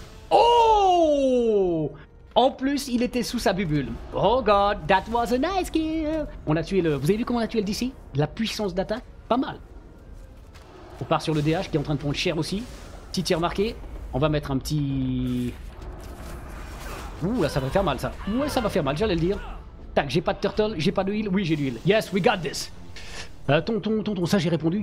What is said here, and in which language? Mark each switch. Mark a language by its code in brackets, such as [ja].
[fr] Oh! En plus, il était sous sa bubule. [en] Oh god, that was a nice kill. [fr] On a tué le... Vous avez vu comment on a tué le DC? La puissance d'attaque, pas mal. On part sur le DH qui est en train de prendre cher aussi. Petit tir marqué. On va mettre un petit... Ouh, là, ça va faire mal, ça. Ouais, ça va faire mal, j'allais le dire. Tac, j'ai pas de turtle, j'ai pas de heal. Oui, j'ai du heal. [en] Yes, we got this. [fr] Tonton, ça j'ai répondu.